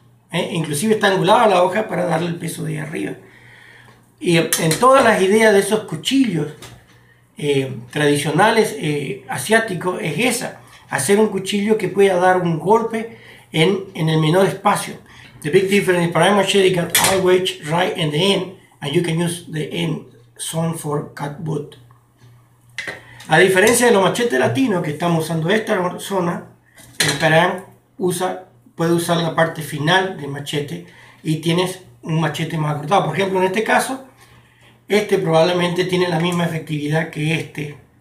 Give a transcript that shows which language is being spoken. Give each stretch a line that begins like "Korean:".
Spanish: Inclusive está angulada la hoja para darle el peso de ahí arriba. Y en todas las ideas de esos cuchillos tradicionales asiáticos es esa, hacer un cuchillo que pueda dar un golpe en el menor espacio.
English: The big difference is para machete got all wedge right in the end and you can use the end. Son for cut wood.
Spanish: A diferencia de los machetes latinos que estamos usando esta zona, el Perán puede usar la parte final del machete y tienes un machete más cortado. Por ejemplo, en este caso, este probablemente tiene la misma efectividad que este.